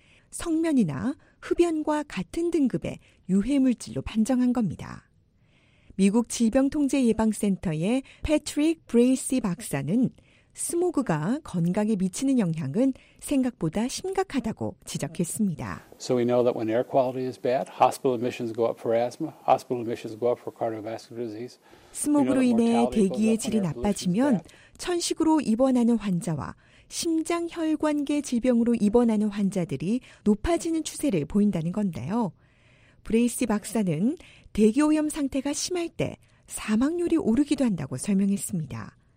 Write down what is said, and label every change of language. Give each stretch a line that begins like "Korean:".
Korean: 성면이나 흡연과 같은 등급의 유해물질로 판정한 겁니다. 미국 질병통제예방센터의 패트릭 브레이시 박사는 스모그가 건강에 미치는 영향은 생각보다 심각하다고 지적했습니다.
English: So we know that when air quality is bad, hospital admissions go up for asthma, hospital admissions go up for cardiovascular disease.
Korean: 스모그로 인해 대기의 질이 나빠지면 천식으로 입원하는 환자와 심장 혈관계 질병으로 입원하는 환자들이 높아지는 추세를 보인다는 건데요. 브레이시 박사는 대기오염 상태가 심할 때 사망률이 오르기도 한다고 설명했습니다.